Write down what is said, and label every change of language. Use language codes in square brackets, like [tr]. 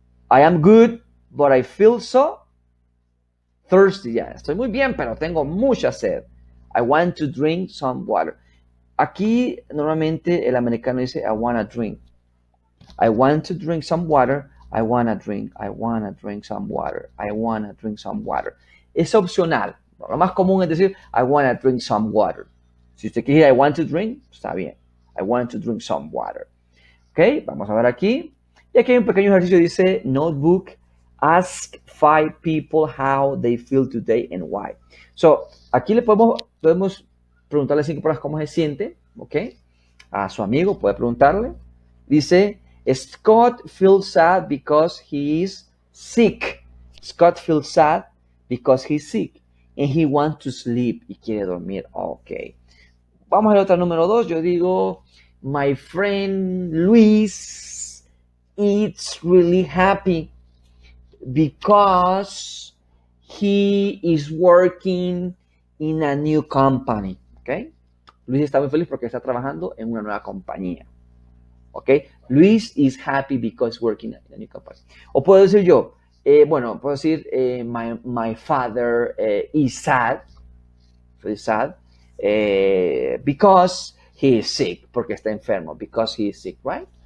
[en] I am good, but I feel so thirsty. [es] Ya, yeah, estoy muy bien, pero tengo mucha sed. [en] I want to drink some water. [es] Aquí normalmente el americano dice [en] I want to drink. I want to drink some water. I wanna drink, I wanna drink some water, I wanna drink some water. [es] Es opcional. Lo más común es decir, I wanna drink some water. Si usted quiere, [en] I want to drink, [es] está bien. [en] I want to drink some water. [es] Ok, vamos a ver aquí. Y aquí hay un pequeño ejercicio, dice, [en] notebook, ask five people how they feel today and why. [es] So, aquí le podemos preguntarle a cinco personas cómo se siente, ¿ok? A su amigo puede preguntarle. [en] Dice, Scott feels sad because he is sick. Scott feels sad because he's sick and he wants to sleep. [es] Y quiere dormir. [en] Ok. [es] Vamos a la otra número dos. Yo digo, [en] my friend Luis is really happy because he is working in a new company. ¿Okay? [es] Luis está muy feliz porque está trabajando en una nueva compañía. ¿Okay? [en] Luis is happy because working in a new company. [es] O puedo decir yo, bueno, puedo decir, [en] my father is sad. Really sad. Because he is sick, [es] porque está enfermo, [en] because he is sick, right?